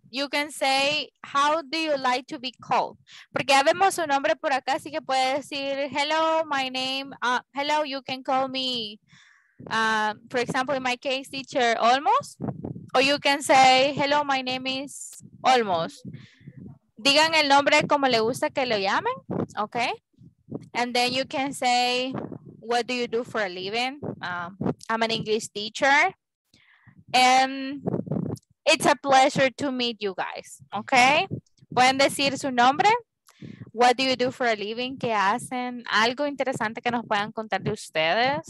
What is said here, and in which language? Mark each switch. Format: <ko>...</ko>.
<en>You can say, how do you like to be called?</en> <es>Porque ya vemos su nombre por acá, así que puede decir,</es> <en>hello, my name. Hello, you can call me, for example, in my case, teacher, Almost. Or you can say, hello, my name is Almost.</en> <es>Digan el nombre como le gusta que lo llamen, okay?</es> <en>And then you can say, what do you do for a living? I'm an English teacher. And it's a pleasure to meet you guys, okay?</en> <es>Pueden decir su nombre.</es> <en>What do you do for a living?</en> <es>¿Qué hacen? Algo interesante que nos puedan contar de ustedes.</es>